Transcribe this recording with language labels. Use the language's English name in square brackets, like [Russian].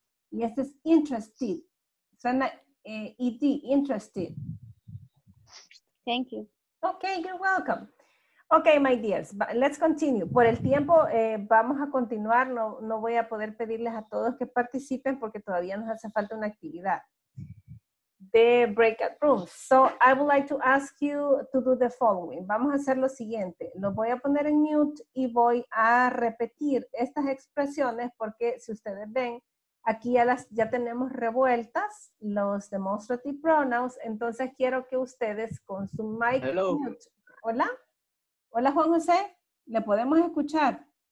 [Spanish] Y este es interested. Suena ed, interested. [English] Thank you. Okay, you're welcome. Okay, my dears, let's continue. [Spanish] Por el tiempo vamos a continuar. No voy a poder pedirles a todos que participen porque todavía nos hace falta una actividad. [English] The breakout rooms. So I would like to ask you to do the following. [Spanish] Vamos a hacer lo siguiente. Lo voy a poner en mute y voy a repetir estas expresiones porque si ustedes ven, aquí ya tenemos revueltas los demonstrative pronouns. Entonces quiero que ustedes con su mic. [English] Hello. Mute. [Spanish] Hola. Hola, Juan José. ¿Le podemos escuchar?